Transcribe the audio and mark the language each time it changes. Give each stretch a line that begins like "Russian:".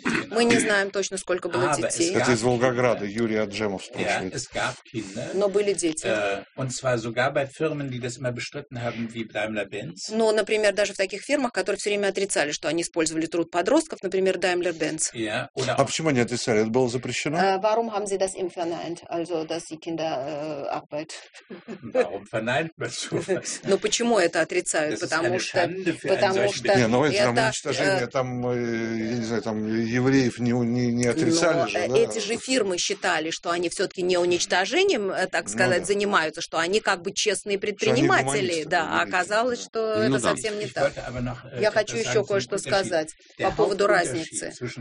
Russian: Мы не знаем точно, сколько было детей. Это из Волгограда, Юрий Аджемов спрашивает. Но были дети.
German: Und zwar sogar bei Firmen, die das immer bestritten haben, wie Daimler-Benz.
Russian: Ну, например, даже в таких фирмах, которые все время отрицали, что они использовали труд подростков, например, Daimler-Benz. А почему они отрицали? Это было запрещено?
German: Warum haben sie das immer verneint? Also, dass die Kinder arbeiten. Warum verneint man sowas?
Russian: Ну, почему это отрицают? Потому что... Не, ну, это уничтожение там, я не знаю, там евреев не отрицали же. Да? Эти же фирмы считали, что они все-таки не уничтожением, так сказать, занимаются, что они как бы честные предприниматели. Да, а оказалось, что это совсем не так. Я хочу еще кое-что сказать по поводу разницы.